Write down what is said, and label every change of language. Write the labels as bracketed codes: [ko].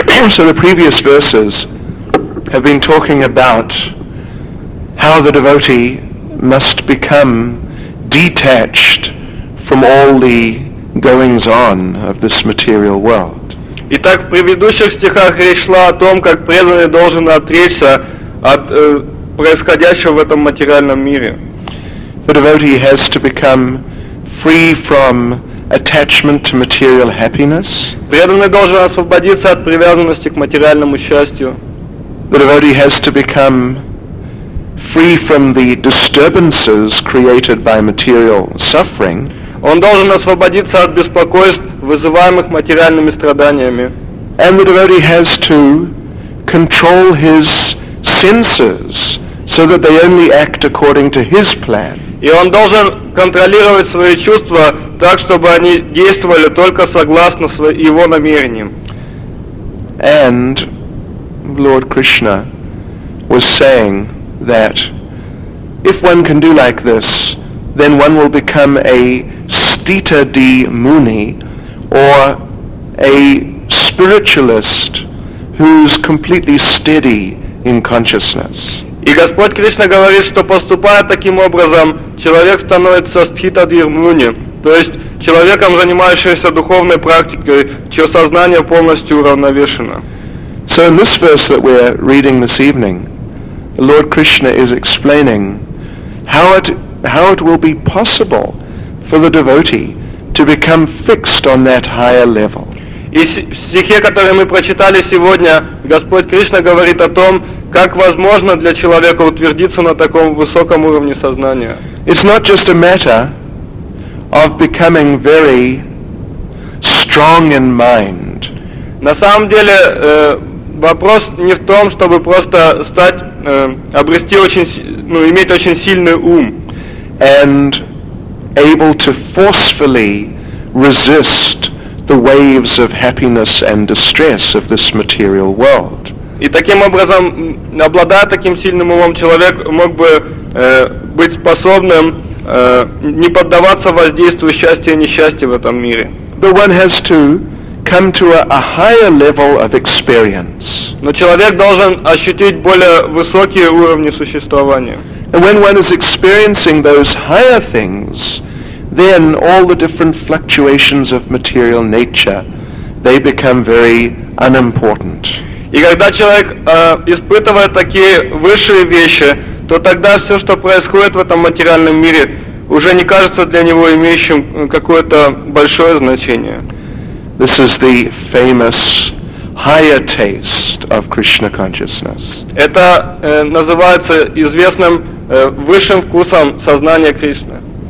[en] So the previous verses have been talking about how the devotee must become detached from all the goings-on of this material world. [ru] Итак, в предыдущих стихах речь шла о том, как преданный должен отречься от происходящего в этом материальном мире. [en] The devotee has to become free from attachment to material happiness. [ru] Преданный должен освободиться от привязанности к материальному счастью. [en] The devotee has to become free from the disturbances created by material suffering. [ru] он должен освободиться от беспокойств, вызываемых материальными страданиями. [en] And the devotee has to control his senses so that they only act according to his plan. [ru] И он должен контролировать свои чувства так, чтобы они действовали только согласно его намерениям. [en] And Lord Krishna was saying that if one can do like this, then one will become a sthitadi muni, or a spiritualist who's completely steady in consciousness. [ru] И Господь Кришна говорит, что поступая таким образом, человек становится sthitadi muni, то есть человеком, занимающимся духовной практикой, чье сознание полностью уравновешено. [en] So in this verse that we're reading this evening, Lord Krishna is explaining how it will be possible for the devotee to become fixed on that higher level. [ru] И в стихе, который мы прочитали сегодня, Господь Кришна говорит о том, как возможно для человека утвердиться на таком высоком уровне сознания. [en] It's not just a matter of becoming very strong in mind. [ru] На самом деле, вопрос не в том, чтобы просто обрести очень, ну, иметь очень сильный ум. [en] And able to forcefully resist the waves of happiness and distress of this material world. [ru] И таким образом, обладая таким сильным умом, человек мог бы быть способным не поддаваться воздействию счастья и несчастья в этом мире. [en] But one has to come to a higher level of experience. [ru] Но человек должен ощутить более высокие уровни существования. [en] And when one is experiencing those higher things, then all the different fluctuations of material nature, they become very unimportant. [ru] И когда человек испытывает такие высшие вещи, то тогда все, что происходит в этом материальном мире, уже не кажется для него имеющим какое-то большое значение. [en] This is the famous higher taste of Krishna consciousness. [ru] Это называется известным высшим вкусом сознания Кришны.